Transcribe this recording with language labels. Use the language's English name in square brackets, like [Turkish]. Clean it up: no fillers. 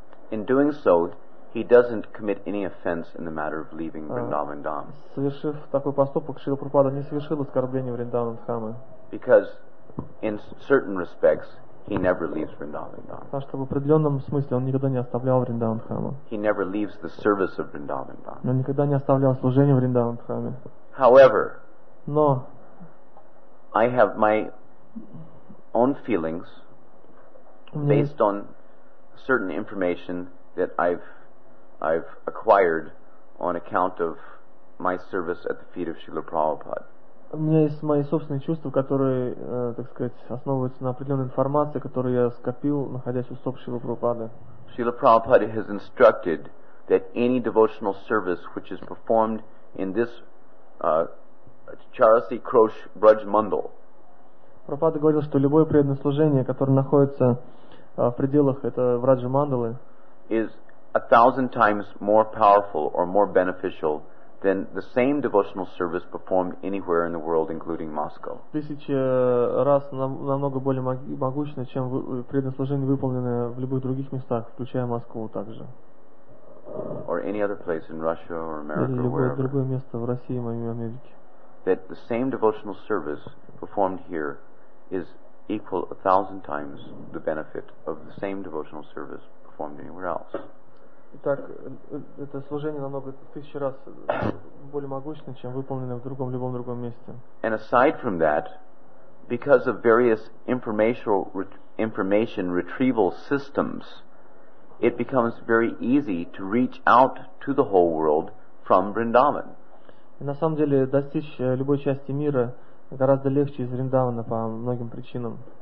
[English] In doing so, he doesn't commit any offense in the matter of leaving Vrindavan Dham. [Russian] Совершив такой поступок, Шрила Прабхупада не совершил оскорбления Вриндавана Дхамы. [English] Because in certain respects, he never leaves Vrindavan Dham. [Russian] Потому что в определенном смысле он никогда не оставлял Вриндаван Дхамы. [English] He never leaves the service of Vrindavan Dham. [Russian] Он никогда не оставлял служение Вриндаван Дхаме. [English] However, [Russian] но [English] I have my own feelings based on certain information that I've acquired on account of my service at the feet of Srila Prabhupada. [Russian] У меня есть мои собственные чувства, которые, так сказать, основываются на определенной информации, которую я скопил, находясь у стоп Шрилы Прабхупады. [English] Srila Prabhupada has instructed that any devotional service which is performed in this Charasi Krosh Braj Mandal. [Russian] Прабхупада говорил, что любое преданное служение, которое находится в пределах этого Враджа Мандалы, [English] is 1,000 times more powerful or more beneficial than the same devotional service performed anywhere in the world, including Moscow. [Russian] Тысяча раз намного более могущественно, чем преданное служение, выполненное в любых других местах, включая Москву также. [English] Or any other place in Russia or America. [Russian] Или любое другое место в России, в Америке. [English] That the same devotional service performed here is equal 1,000 times the benefit of the same devotional service performed anywhere else. [Russian] Итак, это служение намного тысячи раз более могущественное, чем выполненное в другом любом другом месте. [English] And aside from that, because of various information retrieval systems, it becomes very easy to reach out to the whole world from Vrindavan. [Russian] И на самом деле достичь любой части мира гораздо легче из Вриндавана по многим причинам.